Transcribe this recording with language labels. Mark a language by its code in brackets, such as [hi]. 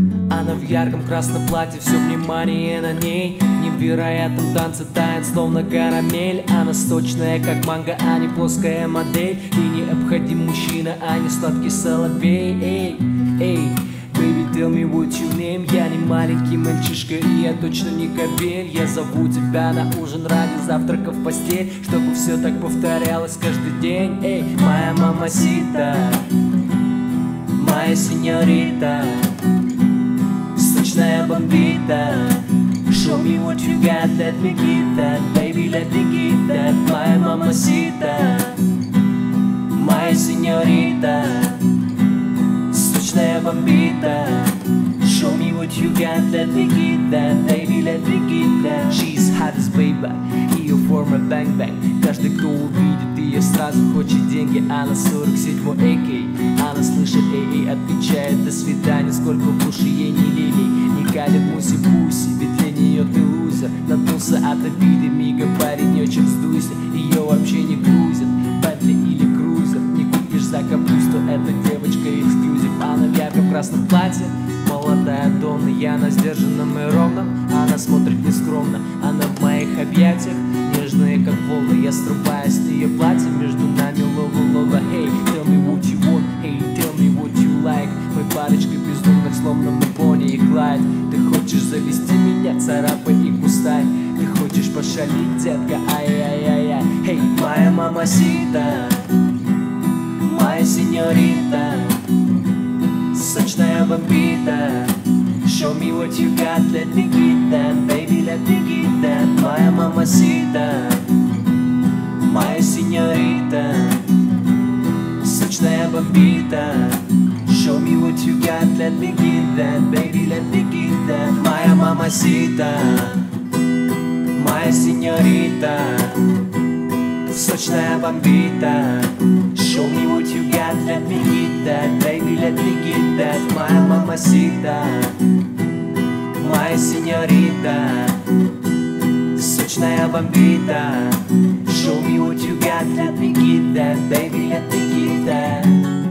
[ru] Она в ярком красном платье, все внимание на ней. Невероятном танце тает, словно карамель. Она сочная, как манго, а не плоская модель. И необходим мужчина, а не сладкий соловей. [en] Эй, эй, baby, tell me what your name. [ru] Я не маленький мальчишка, и я точно не кобель. Я зову тебя на ужин ради завтрака в постель, чтобы все так повторялось каждый день. Эй, моя мамасита, моя сеньорита, сочная бомбита. [en] Show me what you got, let me get that. Baby, let me get that. [ru] Моя мамасита, моя сеньорита, сочная бомбита. [en] Show me what you got, let me get that. Baby, let me get that. She's hottest baby, [ru] ее форма [en] bang bang. [ru] Каждый, кто увидит ее, сразу хочет деньги. Она 47 AK. Она слышит AA, отвечает до свидания. Сколько в уши ей не лили, не калит муси-пуси. Ведь для нее ты лузер. Наткнулся от обиды, мига, парень, очень вздуйся. Ее вообще не грузят, Бентли или крузер. Не купишь за капусту, эта девочка эксклюзив. Она в ярком красном платье, молодая Донна. Я на сдержанном и ровном, она смотрит нескромно. Она в моих объятиях, нежные как волны. Я срываюсь с ее платья, между нами лова-лова. [en] Hey, tell me what you want, hey, tell me what you like. [ru] Мы парочка бездумных, словно мы пони и Клайд. Ты хочешь завести меня, царапай и кусай. Ты хочешь пошалить, детка, ай-яй-яй-яй. [en] Hey, [ru] моя мамасита, моя сеньорита, сочная бомбита. [en] Show me what you got, let me get that. Baby, let me get that. [ru] Моя мамасита, моя сеньорита, сочная бомбита. [en] Show me what you got, let me get that. Baby, let me get that. [ru] Моя мамасита, моя сеньорита, сочная бомбита. [en] Show me what you got, let me get that. Baby, let me get that. [ru] Моя мамасита, моя сеньорита, сочная бомбита. [en] Show me what you got, let me get that. Baby, let me get that.